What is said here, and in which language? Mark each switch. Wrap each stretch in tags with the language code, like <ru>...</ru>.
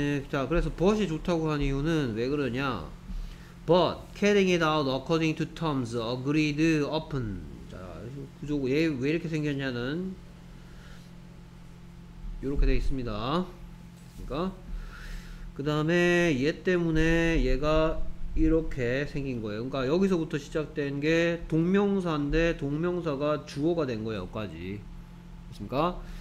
<ko>자, 그래서 but이 좋다고 한 이유는 왜 그러냐?</ko> <en>but carrying it out according to terms agreed upon.</en> <ko>자, 구조 얘 왜 이렇게 생겼냐는 이렇게 돼 있습니다. 그러니까 그다음에 얘 때문에 얘가 이렇게 생긴 거예요. 그러니까 여기서부터 시작된 게 동명사인데 동명사가 주어가 된 거예요. 여기까지. 그렇습니까?</ko>